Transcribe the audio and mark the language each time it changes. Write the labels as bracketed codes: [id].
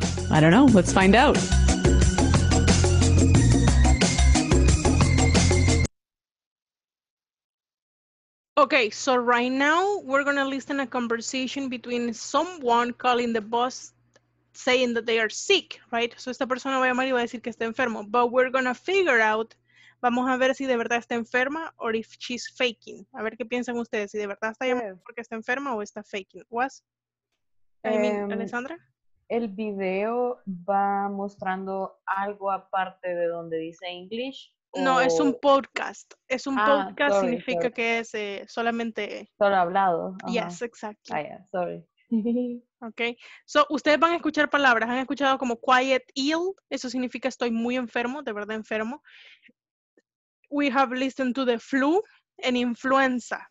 [en] I don't know. Let's find out. Okay, so right now we're going to listen to a conversation between someone calling the boss saying that they are sick, right? [es] So esta persona va a llamar y va a decir que está enfermo. [en] But we're going to figure out, [es] vamos a ver si de verdad está enferma [en] or if she's faking. [es] A ver qué piensan ustedes, si de verdad está llamando porque está enferma o está faking. [en] What? Alessandra? [es] El video va mostrando algo aparte de donde dice English. No, es un podcast. Es un podcast, sorry, significa sorry. Que es solamente... Solo hablado. [en] Uh-huh. Yes, exactly. Ah, yeah, sorry. [es] Okay. So, ustedes van a escuchar palabras. Han escuchado como [en] quiet ill. [es] Eso significa estoy muy enfermo, de verdad enfermo. [en] We have listened to the flu and influenza.